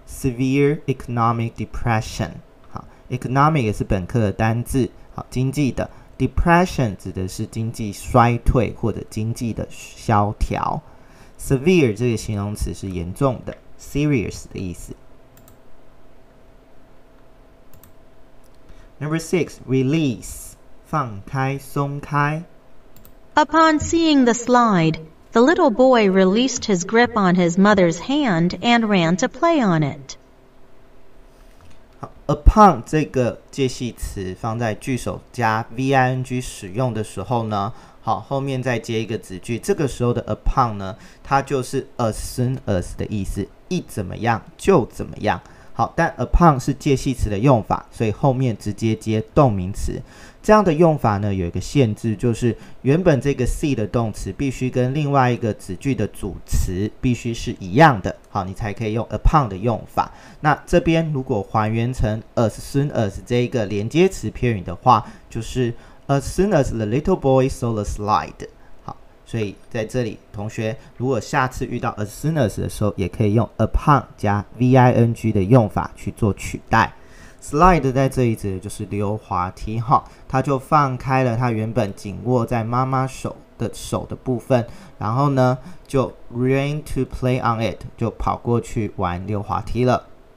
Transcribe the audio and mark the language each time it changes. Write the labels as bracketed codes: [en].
[en] severe economic depression， [zh] 好， economic 也是本科的单字，好，经济的，Depression 指的是经济衰退或者经济的萧条。 Severe 这个形容词是严重的， Serious 的意思。 [en] Number 6 Release [zh] 放开松开。 [en] Upon seeing the slide, the little boy released his grip on his mother's hand and ran to play on it。 [zh] Upon 这个介系词放在句首加 ving 使用的时候呢，好，后面再接一个子句，这个时候的 upon 呢，它就是 [en] as soon as [zh] 的意思，一怎么样就怎么样。好，但 upon 是介系词的用法，所以后面直接接动名词。这样的用法呢，有一个限制，就是原本这个 see 的动词必须跟另外一个子句的主词必须是一样的，好，你才可以用 upon 的用法。那这边如果还原成 [en] as soon as [zh] 这一个连接词片语的话，就是 [en] as soon as the little boy saw the slide。 [zh] 好，所以在这里，同学如果下次遇到 as soon as 的时候，也可以用 upon 加 ving 的用法去做取代。 Slide 在这里指的就是溜滑梯，他就放开了他原本紧握在妈妈手的部分，然后呢就 [en] ran to play on it， [zh] 就跑过去玩溜滑梯了。